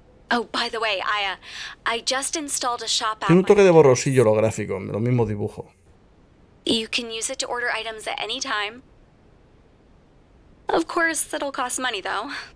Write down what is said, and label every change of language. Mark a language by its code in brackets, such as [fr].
[en] Oh, by the way, I just installed a shop. [es] Tiene un toque de borrosillo lo gráfico, lo mismo dibujo. [en] You can use it to order items at any time. Of course, it'll cost money, though.